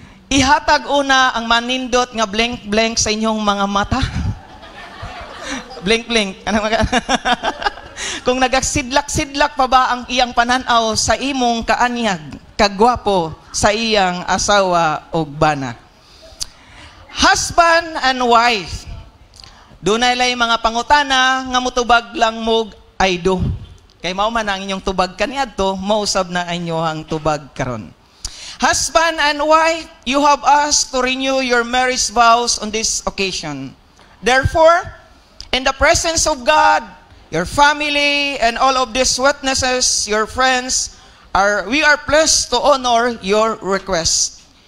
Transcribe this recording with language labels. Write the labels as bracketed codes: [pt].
[ceb] Ihatag una ang manindot nga [en] blink blink [ceb] sa inyong mga mata. Blink blink. Ano mga? Kung nagaksidlak-sidlak pa ba ang iyang pananaw sa imong kaanyag, kagwapo sa iyang asawa o bana. [en] Husband and wife, [ceb] dunay lay mga pangutana nga mutubag lang mog ay do. Kay mao man ang inyong tubag kaniadto, mausab na inyo ang tubag karon. [en] Husband and wife, you have asked to renew your marriage vows on this occasion. Therefore, in the presence of God, your family and all of these witnesses, your friends, we are pleased to honor your request.